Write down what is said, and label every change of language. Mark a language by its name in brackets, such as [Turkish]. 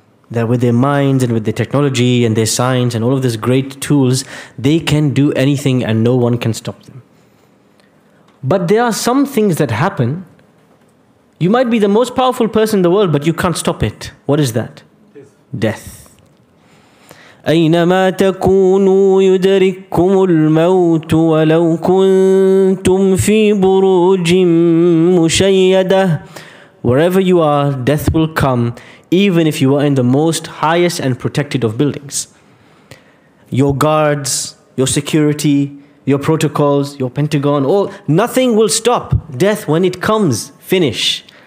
[English] That with their minds and with their technology and their science and all of these great tools, they can do anything and no one can stop them. But there are some things that happen. You might be the most powerful person in the world, but you can't stop it. What is that? Death. [Arabic] أينما تكونوا يدرككم الموت ولو كنتم في بروج مشيدة. [English] Wherever you are, death will come, even if you are in the most highest and protected of buildings. Your guards, your security, your protocols, your Pentagon, all, nothing will stop death when it comes. Finish.